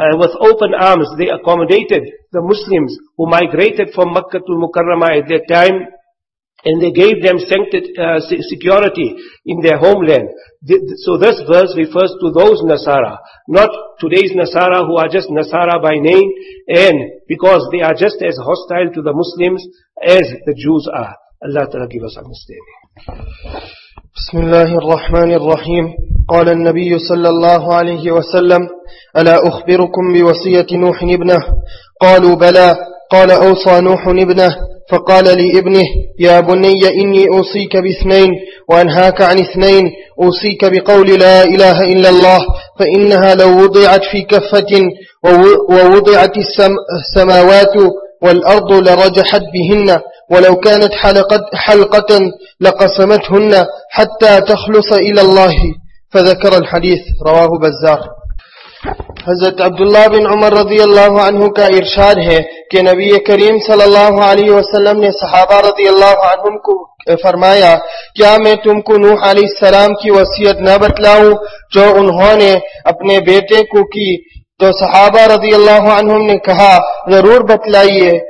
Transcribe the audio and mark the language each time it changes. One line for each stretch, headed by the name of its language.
English: with open arms, they accommodated the Muslims who migrated from Makkah to Mukarramah at that time, and they gave them security in their homeland. So this verse refers to those Nasara, not today's Nasara who are just Nasara by name, and because they are just as hostile to the Muslims as the Jews are. Allah Ta'ala give us understanding.
Arabic: بسم الله الرحمن الرحيم. قال النبي صلى الله عليه وسلم: ألا أخبركم بوصية نوح ابنه؟ قالوا بلى. قال: أوصى نوح ابنه فقال لابنه: يا بني إني أوصيك باثنين وأنهاك عن اثنين. أوصيك بقول لا إله إلا الله، فإنها لو وضعت في كفة ووضعت السماوات والأرض لرجحت بهن، ولو كانت حلقة لقسمتهن حتى تخلص إلى الله. فذكر الحديث رواه بزار.
Urdu: حضرت عبداللہ بن عمر رضی اللہ عنہ کا ارشاد ہے کہ نبی کریم صلی اللہ علیہ وسلم نے صحابہ رضی اللہ عنہ کو فرمایا: کیا میں تم کو نوح علیہ السلام کی وصیت نہ بتلاؤں جو انہوں نے اپنے بیٹے کو کی؟ تو صحابہ رضی اللہ عنہم نے کہا: ضرور بتلائیے.